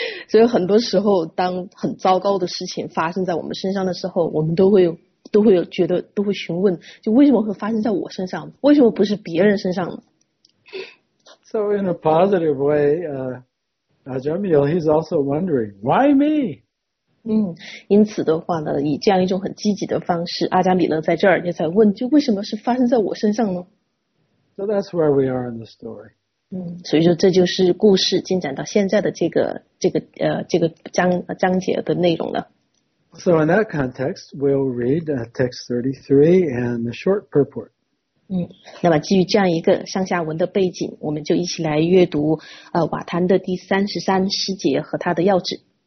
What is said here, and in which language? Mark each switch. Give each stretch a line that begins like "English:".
Chinese: 所以很多时候当很糟糕的事情发生在我们身上的时候，我们都会觉得都会询问，就为什么会发生在我身上，为什么不是别人身上呢？
English: So in a positive way, Ajamil, he's also wondering, why me?
Chinese: 因此的话呢，以这样一种很积极的方式，阿伽米勒在这儿也在问，就为什么是发生在我身上呢？
English: So that's where we are in the story.
Chinese: 所以说这就是故事进展到现在的这个章节的内容了。
English: So in that context, we'll read text 33 and the short purport.
Chinese: 那么基于这样一个上下文的背景，我们就一起来阅读瓦坛的第33诗节和它的要旨。